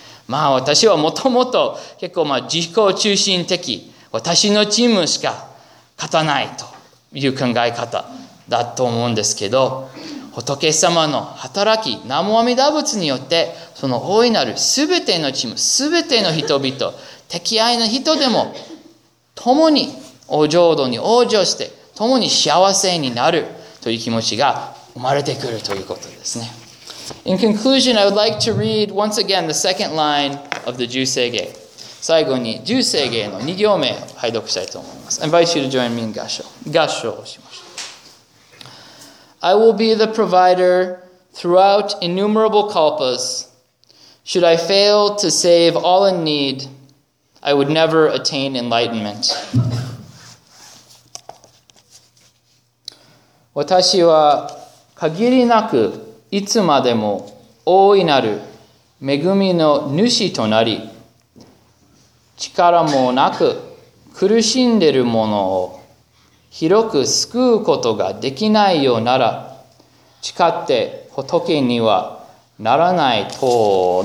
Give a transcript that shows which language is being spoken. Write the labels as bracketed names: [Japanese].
[Japanese] まあ私はもともと結構まあ自己中心的、私のチームしか勝たないという考え方だと思うんですけど、仏様の働き、南無阿弥陀仏によって、その大いなるすべてのチーム、すべての人々、敵愛の人でも、共にお浄土に往生して、共に幸せになるという気持ちが生まれてくるということですね。 [English] In conclusion, I would like to read once again the second line of the Jusege. [Japanese] 最後に Jusege の2行目を拝読したいと思います。 [English] I invite you to join me in [Japanese] 合唱をしましょう。 [English] I will be the provider throughout innumerable kalpas. Should I fail to save all in need, I would never attain enlightenment. [Japanese] 私は限りなくいつまでも大いなる恵みの主となり、力もなく苦しんでいる者を広く救うことができないようなら、誓って仏にはならないと。